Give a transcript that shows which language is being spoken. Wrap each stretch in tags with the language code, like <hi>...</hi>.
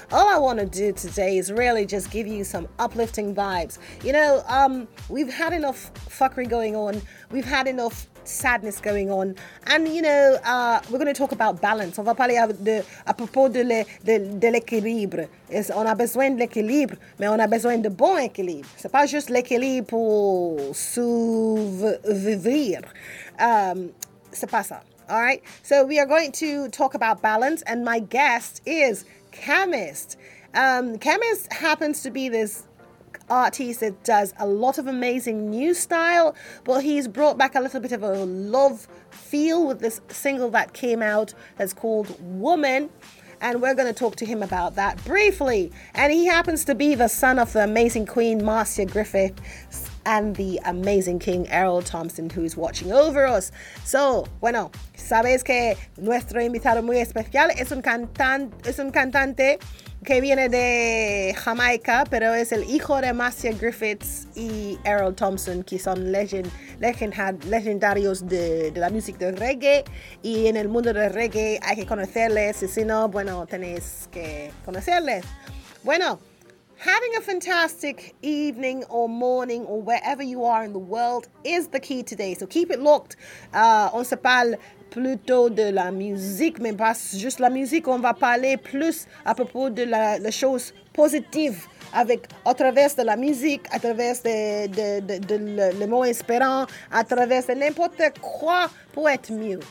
<en>All I want to do today is really just give you some uplifting vibes. You know, we've had enough fuckery going on. We've had enough sadness going on, and you know, we're going to talk about balance.</en> <fr>On va parler à propos de l'équilibre. On a besoin de l'équilibre, mais on a besoin de bon équilibre. C'est pas juste l'équilibre pour survivre. C'est pas ça.</fr> <en>All right. So we are going to talk about balance, and my guest is Kemist. Kemist happens to be this artist that does a lot of amazing new style, but he's brought back a little bit of a love feel with this single that came out that's called Woman. and we're going to talk to him about that briefly. And he happens to be the son of the amazing Queen Marcia Griffith and the amazing King Errol Thompson, who is watching over us.</en> <es>So, bueno, sabes que nuestro invitado muy especial es un cantante que viene de Jamaica, pero es el hijo de Marcia Griffiths y Errol Thompson, que son legendarios de la música de reggae. Y en el mundo del reggae hay que conocerles, y si no, bueno, tenéis que conocerles. Bueno,</es> <en>having a fantastic evening or morning or wherever you are in the world is the key today. So keep it locked.</en> <fr>On se parle plutôt de la musique, mais pas juste la musique. On va parler plus à propos de la chose positive avec à travers de la musique, à travers de le mot espérant, à travers de n'importe quoi pour être mieux.</fr>